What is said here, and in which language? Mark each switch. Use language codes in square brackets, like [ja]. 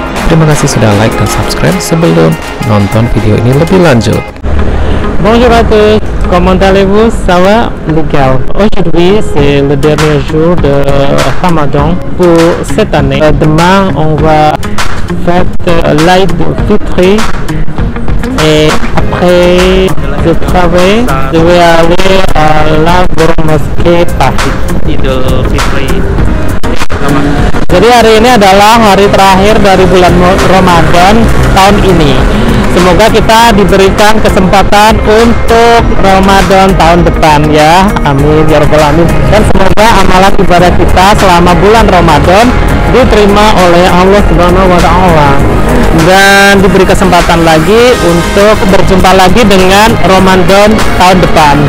[id] Terima kasih sudah like dan subscribe sebelum nonton video ini lebih lanjut. [fr] Bonjour à tous, comment allez-vous? Ça va? Legal. Aujourd'hui, c'est le dernier jour de Ramadan pour cette année. Demain, on va faire l'Aïd Fitri et après le travail, je vais aller à la grande mosquée Paris. [id] Idul Fitri. Jadi hari ini adalah hari terakhir dari bulan Ramadan tahun ini. Semoga kita diberikan kesempatan untuk Ramadan tahun depan ya. Amin ya rabbal alamin. Dan semoga amalan ibadah kita selama bulan Ramadan diterima oleh Allah Subhanahu wa taala dan diberi kesempatan lagi untuk berjumpa lagi dengan Ramadan tahun depan.